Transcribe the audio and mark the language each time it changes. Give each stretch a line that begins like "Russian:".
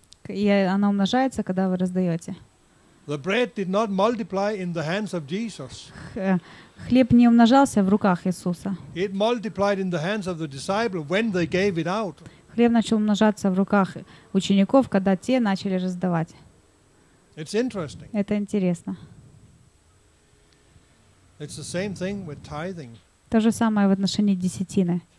Russian: И оно умножается, когда вы раздаете.
English: The bread did not multiply in the hands of Jesus.
Russian: Хлеб не умножался в руках Иисуса.
English: It multiplied in the hands of the disciple when they gave it out.
Russian: Хлеб начал умножаться в руках учеников, когда те начали раздавать.
English: It's interesting.
Russian: Это интересно.
English: It's the same thing with tithing.
Russian: То же самое в отношении десятины.